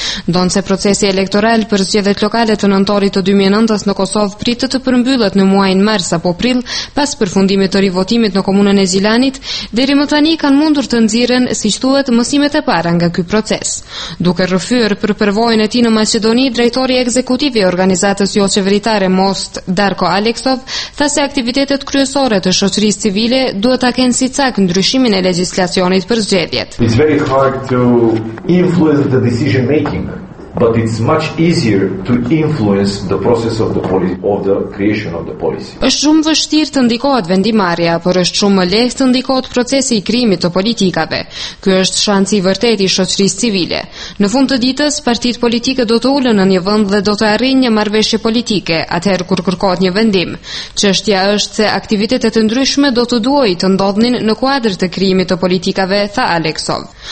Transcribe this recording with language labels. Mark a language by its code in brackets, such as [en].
[sq] Ndonse procesi elektoral për zgjedhjet lokale të nëntorit të 2009-s në Kosovë pritet të përmbyllet në muajin mars apo prill, pas përfundimit të rivotimit në komunën e Gjilanit, deri më tani kanë mundur të nxirren, siç thuhet, mësimet e para nga ky proces. Duke rrëfyer për përvojën e tij në Maqedoni, drejtori ekzekutiv i organizatës joqeveritare Most, Darko Aleksov, tha se aktivitetet kryesore të shoqërisë civile duhet ta kenë si cak ndryshimin e legjislacionit për zgjedhjet. [en] It's very hard to influence the decision making but it's much easier to influence the process of the policy, of the creation of the policy. [sq] Është shumë vështirë të ndikohet vendimarrja, por është shumë më lehtë të ndikohet procesi i krijimit të politikave. Ky është shansi i vërtetë i shoqërisë civile. Në fund të ditës, partitë politike do të ulen në një vend dhe do të arrijnë një marrëveshje politike, atëherë kur kërkohet një vendim. Çështja është se aktivitetet e ndryshme do të duajë të ndodhin në kuadër të krijimit të politikave, tha Aleksov.